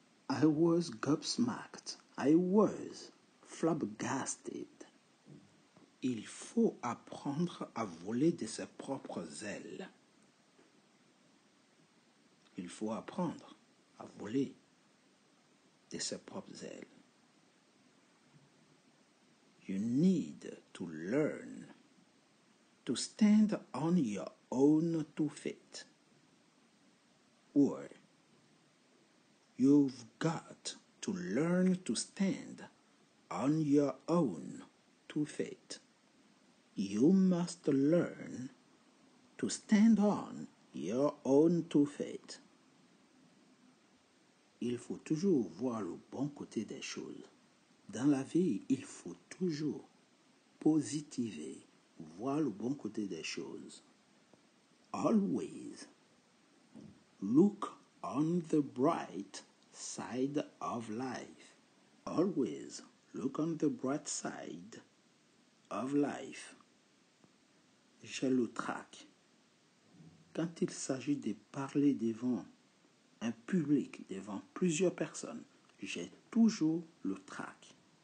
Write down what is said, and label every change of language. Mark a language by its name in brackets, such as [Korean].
[English] I was gobsmacked. I was flabbergasted. [French] Il faut apprendre à voler de ses propres ailes. Il faut apprendre à voler de ses propres ailes. [English] You need to learn to stand on your own two feet. Or, you've got to learn to stand on your own two feet. You must learn to stand on your own two feet. [French] Il faut toujours voir le bon côté des choses. Dans la vie, il faut toujours positiver, voir le bon côté des choses. [English] Always look on the bright side of life. Always look on the bright side of life. [French] J'ai le trac. Quand il s'agit de parler devant un public, devant plusieurs personnes, j'ai toujours le trac.